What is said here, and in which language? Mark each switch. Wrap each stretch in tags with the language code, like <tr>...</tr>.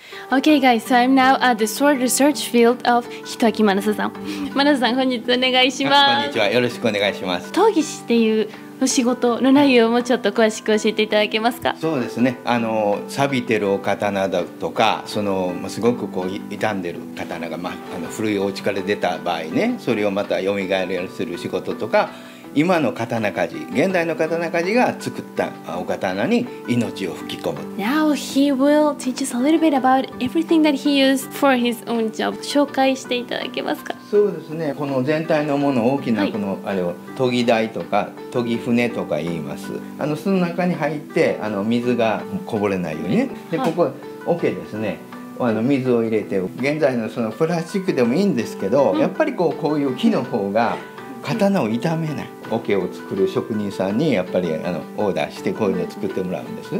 <en>Okay guys, so I'm now at the sword research field of Hitoaki Manasa-san.</en> <ja>Manasa-san, こんにちは、お願いします。こんにちは、よろしくお願いします。闘技師っていうお仕事の内容もちょっと詳しく教えていただけますか。そうですね、錆びてるお刀だとか、そのすごくこう傷んでる刀が、ま、古いお家から出た場合ね、それをまた蘇らせる仕事とか、今の刀鍛冶、現代の刀鍛冶が作ったお刀に命を吹き込む。</ja> <en>Now he will teach us a little bit about everything that he used for his own job.</en> <ja>紹介していただけますか。そうですね、この全体のもの、大きなこの、はい、あれを研ぎ台とか研ぎ船とか言います。その中に入って水がこぼれないようにね。でここ桶、はい、ですね、水を入れて、現在のそのプラスチックでもいいんですけど、うん、やっぱりこういう木の方が刀を傷めない桶を作る職人さんにやっぱりオーダーしてこういうのを作ってもらうんです。</ja>